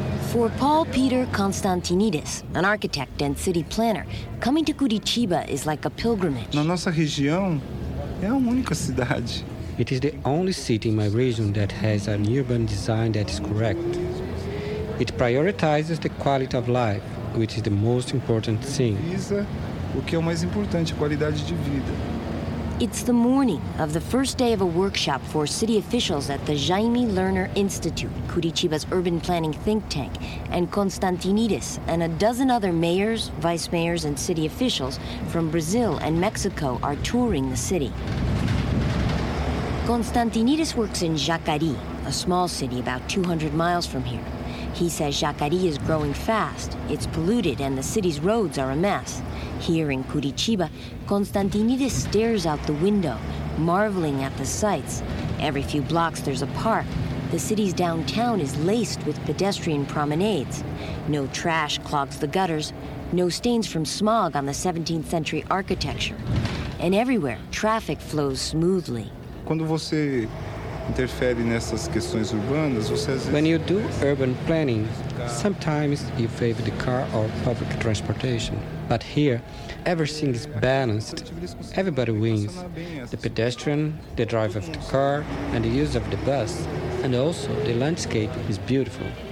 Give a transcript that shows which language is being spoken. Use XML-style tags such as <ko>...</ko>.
<en>For Paul Peter Constantinides, an architect and city planner, coming to Curitiba is like a pilgrimage.</en> <pt>Na nossa região é a única cidade.</pt> <en>It is the only city in my region that has an urban design that is correct. It prioritizes the quality of life, which is the most important thing.</en> <pt>Visa o que é o mais importante, a qualidade de vida.</pt> <en>It's the morning of the first day of a workshop for city officials at the Jaime Lerner Institute, Curitiba's urban planning think tank, and Constantinides and a dozen other mayors, vice mayors, and city officials from Brazil and Mexico are touring the city. Constantinides works in Jacarí, a small city about 200 miles from here. He says Jacarí is growing fast, it's polluted, and the city's roads are a mess. Here in Curitiba, Constantinides stares out the window, marveling at the sights. Every few blocks, there's a park. The city's downtown is laced with pedestrian promenades. No trash clogs the gutters. No stains from smog on the 17th century architecture. And everywhere, traffic flows smoothly.</en> <pt>Quando você interfere nessas questões urbanas, você às vezes...</pt> <en>When you do urban planning, sometimes you favor the car or public transportation. But here, everything is balanced. Everybody wins. The pedestrian, the driver of the car, and the user of the bus. And also, the landscape is beautiful.</en>